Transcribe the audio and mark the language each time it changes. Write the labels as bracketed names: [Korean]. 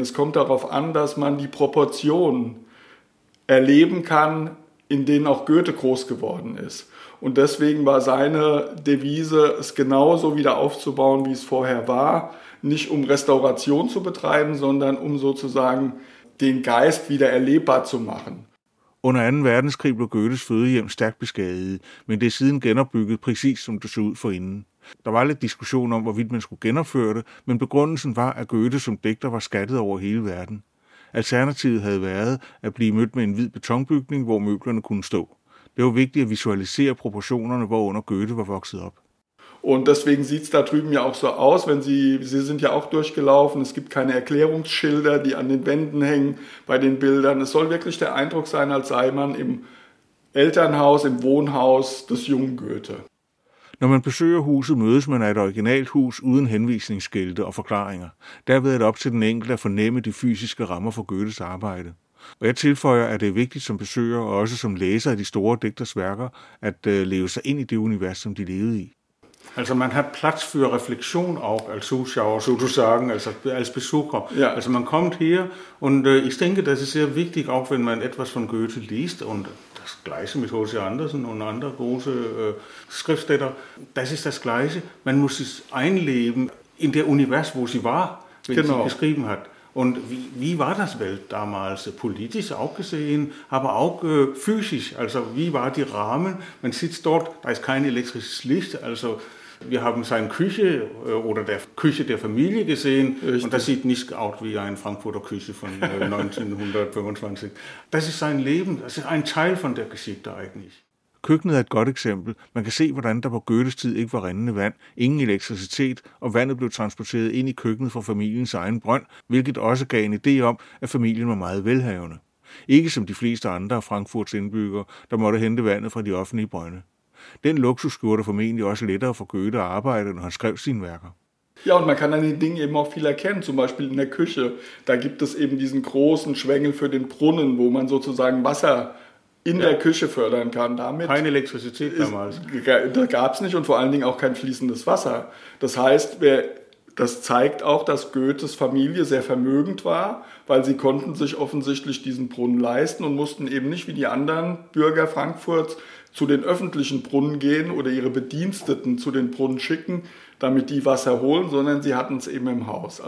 [German] Es kommt darauf an, dass man die Proportionen erleben kann, in denen auch Goethe groß geworden ist. Und deswegen war seine Devise, es genauso wieder aufzubauen, wie es vorher war, nicht um Restauration zu betreiben, sondern um sozusagen den Geist wieder erlebbar zu machen. [Danish] Under 2. verdenskrig blev Goethes fødehjem stærkt beskadiget, men det er siden genopbygget præcis som det så ud forinden. Der var lidt diskussion om, hvorvidt man skulle genopføre det, men begrundelsen var, at Goethe som digter var skattet over hele verden. Alternativet havde været at blive mødt med en hvid betonbygning, hvor møblerne kunne stå. Det var vigtigt at visualisere proportionerne, hvorunder Goethe var vokset op. [German] Und deswegen sieht es da drüben ja auch so aus, wenn Sie sind ja auch durchgelaufen, es gibt keine Erklärungsschilder, die an den Wänden hängen bei den Bildern. Es soll wirklich der Eindruck sein, als sei man im Elternhaus, im Wohnhaus des jungen Goethe. [Danish] Når man besøger huset, mødes man af et originalt hus uden henvisningsskilte og forklaringer. Derved er det op til den enkelte at fornemme de fysiske rammer for Goethes arbejde. Og jeg tilføjer, at det er vigtigt som besøger og også som læser af de store digters værker, at leve sig ind i det univers, som de levede i. Altså man har plads for refleksion af Al-Sushauer, Sultusagen, altså Al-Spesukker. Ja. Altså man kommer her, og jeg tænker, at det er vigtigt, også hvis man [German] etwas von Goethe liest, [Danish] og [German] das gleiche [Danish] mit H.C. Andersen og andre gode skriftstætter. [German] Das ist das gleiche. Man muss sich einleben in der univers, [Danish] hvor sie var, hvis [German] sie beskriven hat. Und wie war das Welt damals, politisch auch gesehen, aber auch physisch? Also wie war die Rahmen? Man sitzt dort, da ist kein elektrisches Licht. Also wir haben seine Küche oder der Küche der Familie gesehen. Richtig. Und das sieht nicht aus wie eine Frankfurter Küche von 1925. Das ist sein Leben, das ist ein Teil von der Geschichte eigentlich. [Danish] Køkkenet er et godt eksempel. Man kan se, hvordan der på Goethes tid ikke var rindende vand, ingen elektricitet, og vandet blev transporteret ind i køkkenet fra familiens egen brønd, hvilket også gav en idé om, at familien var meget velhavende. Ikke som de fleste andre af Frankfurts indbyggere, der måtte hente vandet fra de offentlige brønde. Den luksus gjorde det formentlig også lettere for Goethe at arbejde, når han skrev sine værker. [German] Ja, und man kann an den Dingen eben auch viel erkennen, zum Beispiel in der Küche. Da gibt es eben diesen großen Schwengel für den Brunnen, wo man sozusagen Wasser in der Küche fördern kann damit. Keine Elektrizität damals. Da gab es nicht und vor allen Dingen auch kein fließendes Wasser. Das heißt, das zeigt auch, dass Goethes Familie sehr vermögend war, weil sie konnten sich offensichtlich diesen Brunnen leisten und mussten eben nicht wie die anderen Bürger Frankfurts zu den öffentlichen Brunnen gehen oder ihre Bediensteten zu den Brunnen schicken, damit die Wasser holen, sondern sie hatten es eben im Haus.